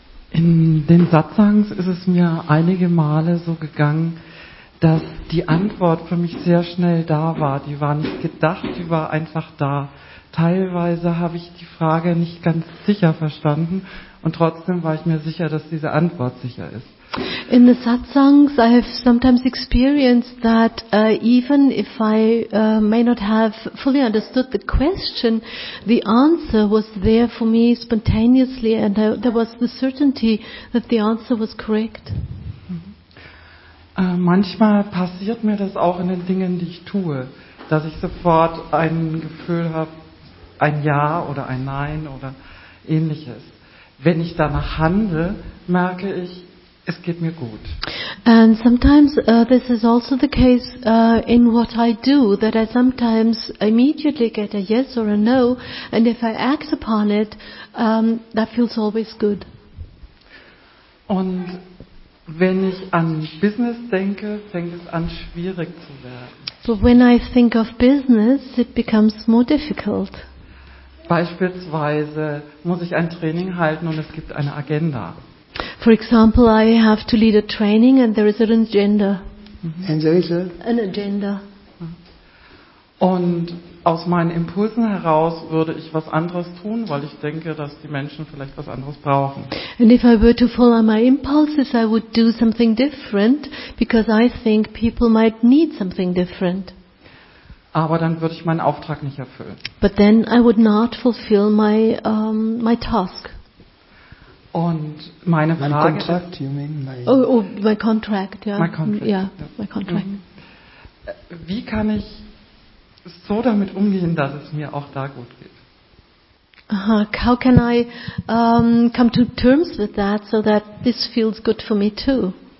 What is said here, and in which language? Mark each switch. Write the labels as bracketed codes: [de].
[de] In den Satsangs ist es mir einige Male so gegangen, dass die Antwort für mich sehr schnell da war. Die war nicht gedacht, die war einfach da. Teilweise habe ich die Frage nicht ganz sicher verstanden und trotzdem war ich mir sicher, dass diese Antwort sicher ist. [en] In the satsangs, I have sometimes experienced that even if I may not have fully understood the question, the answer was there for me spontaneously and there was the certainty that the answer was correct. [de] Manchmal passiert mir das auch in den Dingen, die ich tue, dass ich sofort ein Gefühl habe, ein Ja oder ein Nein oder ähnliches. Wenn ich danach handle, merke ich, es geht mir gut. [en] And sometimes this is also the case in what I do, that I sometimes immediately get a yes or a no, and if I act upon it, that feels always good. [de] Und wenn ich an Business denke, fängt es an, schwierig zu werden. [en] So when I think of business, it becomes more difficult. [de] Beispielsweise muss ich ein Training halten und es gibt eine Agenda. [en] For example, I have to lead a training and there is an agenda. And there is a? An agenda. [de] Und aus meinen Impulsen heraus würde ich was anderes tun, weil ich denke, dass die Menschen vielleicht was anderes brauchen. [en] And if I were to follow my impulses, I would do something different, because I think people might need something different. [de] Aber dann würde ich meinen Auftrag nicht erfüllen. [en] But then I would not fulfill my my task. [de] Und meine Frage. [en] My contract, you mean? My contract, yeah. My contract. Yeah, my contract. [de] Wie kann ich so damit umgehen, dass es mir auch da gut geht? [en] How can I come to terms with that, so that this feels good for me too?